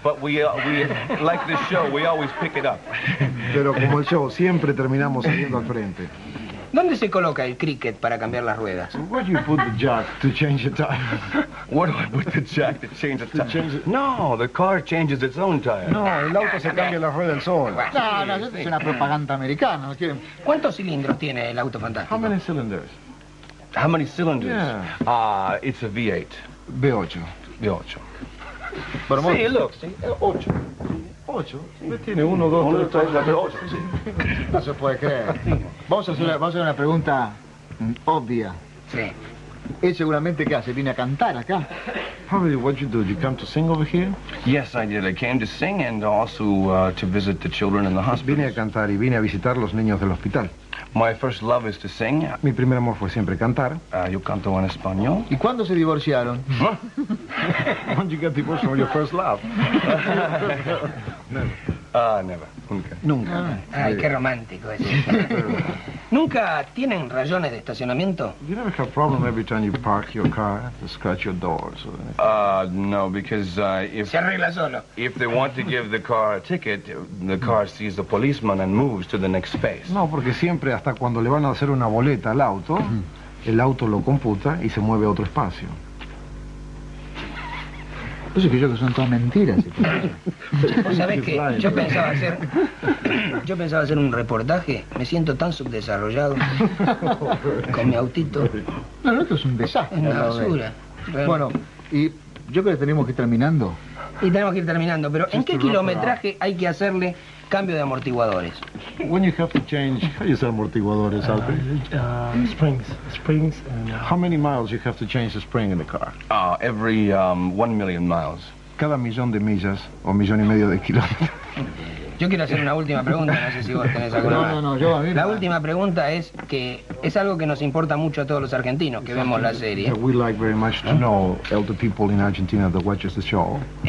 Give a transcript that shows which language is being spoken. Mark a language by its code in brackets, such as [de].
[en] But we like the show, we always pick it up. [es] Pero como el show, siempre terminamos saliendo al frente. ¿Dónde se coloca el cricket para cambiar las ruedas? [en] Where do you put the jack to change the tire? Where do I put the jack to change the tire? No, the car changes its own tire. [es] No, el auto se cambia las ruedas solo. No, es una propaganda americana. ¿Cuántos cilindros tiene el auto fantástico? [en] How many cylinders? How many cylinders? Yeah. It's a V8. V8. V8. [es] Pero sí, look, sí, 8. Tiene uno, dos, tres, cuatro, no se puede creer. Vamos a hacer una pregunta obvia. Sí. Él seguramente, ¿qué hace? Viene a cantar acá. [en] Probably what you do, you come to sing over here? Yes, I did. I came to sing and also to visit the children in the hospital. [es] Vine a cantar y vine a visitar los niños del hospital. [en] My first love is to sing. [es] Mi primer amor fue siempre cantar. Yo canto en español. ¿Y cuándo se divorciaron? [en] When did you get divorced from your first love? Never. [es] Nunca. Nunca. Ay, qué romántico es eso. ¿Nunca tienen rayones de estacionamiento? [en] You never have a problem every time you park your car to scratch your doors or anything. No, because if... [es] Se arregla solo. [en] If they want to give the car a ticket, the car sees the policeman and moves to the next space. [es] No, porque siempre, hasta cuando le van a hacer una boleta al auto, el auto lo computa y se mueve a otro espacio. Pues es que yo creo que son todas mentiras. ¿Vos sabés qué? Yo pensaba hacer un reportaje. Me siento tan subdesarrollado con mi autito. No, esto es un desastre. Es una basura. Bueno, y yo creo que tenemos que ir terminando. Y tenemos que ir terminando, pero ¿en qué kilometraje hay que hacerle cambio de amortiguadores? [en] When you have to change your amortiguadores, Alfred. Springs. And... How many miles you have to change the spring in the car? Every 1,000,000 miles. [es] Cada millón de millas o millón y medio de kilómetros. Yo quiero hacer una última pregunta, no sé si vos tenés alguna. La última pregunta es que es algo que nos importa mucho a todos los argentinos que vemos la serie. [en] We like very much to know all the people in Argentina that watches the show.